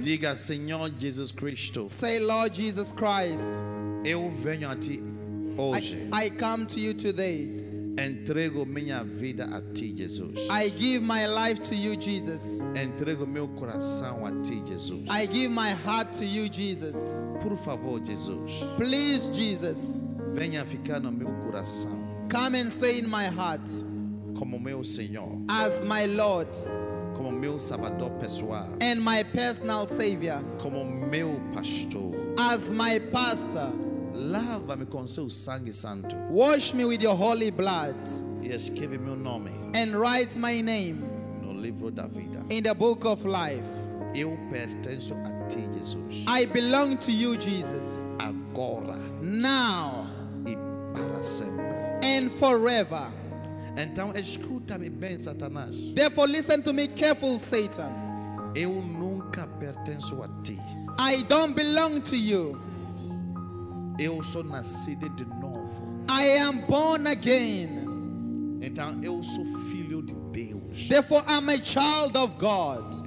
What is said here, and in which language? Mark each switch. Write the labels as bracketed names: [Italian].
[Portuguese] Diga Senhor Jesus Cristo. [English] Say Lord Jesus Christ. [Portuguese] Eu venho a ti hoje. [English] I come to you today. [Portuguese] Entrego minha vida a ti, Jesus. [English] I give my life to you, Jesus. [Portuguese] Entrego meu coração a ti, Jesus. [English] I give my heart to you, Jesus. [Portuguese] Por favor, Jesus. [English] Please, Jesus. [Portuguese] Venha ficar no meu coração. [English] Come and stay in my heart. [Portuguese] Como meu Senhor. [English] As my Lord. [Portuguese] Como meu Salvador pessoal. [English] And my personal Savior. [Portuguese] Como meu pastor. [English] As my pastor. [Portuguese] Lava-me com seu sangue santo. [English] Wash me with your holy blood. [Portuguese] E escreve meu nome. [English] And write my name. [Portuguese] No livro da vida. [English] In the book of life. [Portuguese] Eu pertenço a ti, Jesus. [English] I belong to you, Jesus. [Portuguese] Agora. [English] Now. [Portuguese] E para sempre. [English] And forever. [Portuguese] Então escuta-me bem, Satanás. [English] Therefore listen to me careful, Satan. [Portuguese] Eu nunca pertenço a ti. [English] I don't belong to you. [Portuguese] Eu sou nascido de novo. [English] I am born again. [Portuguese] Então eu sou filho de Deus. [English] Therefore I'm a child of God.